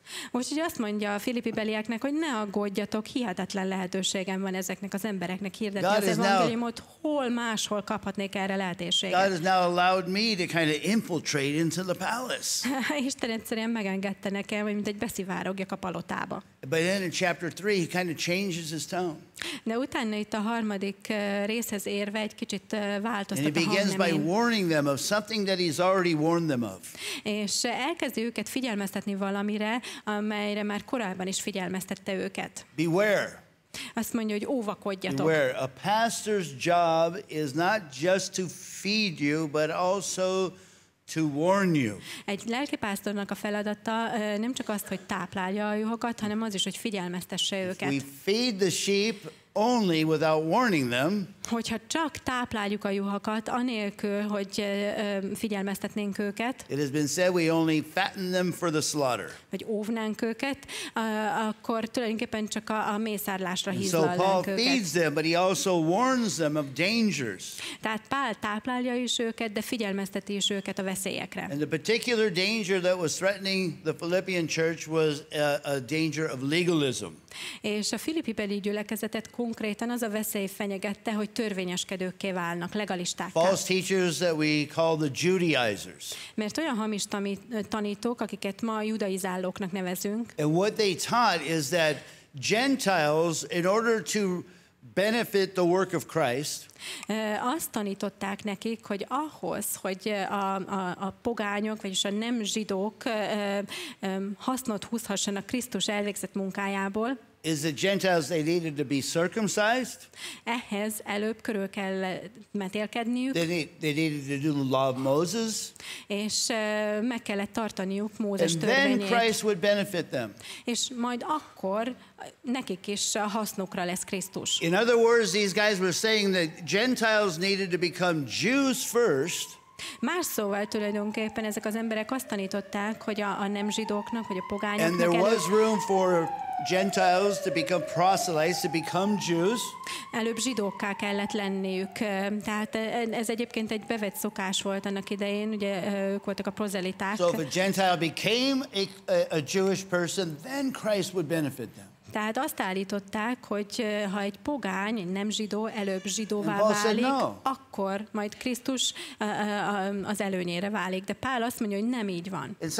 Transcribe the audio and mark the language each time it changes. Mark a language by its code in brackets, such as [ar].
[hu] Most így azt mondja a filippi belieknek, hogy ne aggódjatok, hihetetlen lehetőségem van ezeknek az embereknek hirdetni [en] God [hu] az evangéliumot, hol máshol kaphatnék erre lehetőséget. [en] God has now allowed me to kind of infiltrate into the palace. [hu] Isten egyszerűen megengedte nekem, hogy mint egy beszivárogjak a palotába. [en] But then in chapter 3 he kind of changes his tone. [hu] De utána itt a harmadik részhez érve egy kicsit változtat a hangnemén. [en] By warning them of something that he's already warned them of. [hu] És elkezdi őket figyelmeztetni valamire, amelyre már korábban is figyelmeztette őket. [en] Beware. [hu] Azt mondja, hogy óvakodjatok. [en] Beware. A pastor's job is not just to feed you, but also to warn you. [hu] Egy lelkipásztornak a feladata nem csak az, hogy táplálja a juhokat, hanem az is, hogy figyelmeztesse őket. [en] If we feed the sheep only without warning them. [hu] Hogyha csak tápláljuk a juhokat, anélkül, hogy figyelmeztetnénk őket. [en] It has been said we only fatten them for the slaughter. [hu] Hogy óvnánk őket, akkor tulajdonképpen csak a mészárlásra hízlalnánk őket. [en] So Paul feeds them, but he also warns them of dangers. [hu] Tehát Pál táplálja is őket, de figyelmezteti is őket a veszélyekre. [en] And the particular danger that was threatening the Philippian church was a danger of legalism. [hu] És a filippi beli gyülekezetet konkrétan az a veszély fenyegette, hogy törvényeskedőkké válnak, legalisták. [en] False teachers that we call the Judaizers. [hu] Mert olyan hamis tanítók, akiket ma judaizálóknak nevezünk. [en] And what they taught is that Gentiles, in order to benefit the work of Christ. [hu] Azt tanították nekik, hogy ahhoz, hogy a pogányok, vagyis a nem zsidók hasznot húzhassanak Krisztus elvégzett munkájából. [en] Is the Gentiles they needed to be circumcised? [hu] Ehhez előbb körül kell metélkedniük. [en] They needed to do the law of Moses. [hu] És meg kellett tartaniuk Mózes [en] and [hu] törvényét. [en] And then Christ would benefit them. [hu] És majd akkor nekik is hasznukra lesz Krisztus. [en] In other words, these guys were saying that Gentiles needed to become Jews first. [hu] Más szóval tulajdonképpen ezek az emberek azt tanították, hogy a nem zsidóknak, hogy a pogányoknak. [en] And there was room for Gentiles to become proselytes, to become Jews. [hu] Előbb zsidókká kellett lenniük. Tehát ez egyébként egy bevett szokás volt annak idején, ugye ők voltak a prozeliták. [en] So if a Gentile became a Jewish person, then Christ would benefit them. [hu] Tehát azt állították, hogy ha egy pogány, egy nem zsidó előbb zsidóvá válik, akkor majd Krisztus az előnyére válik. De Pál azt mondja, hogy nem így van.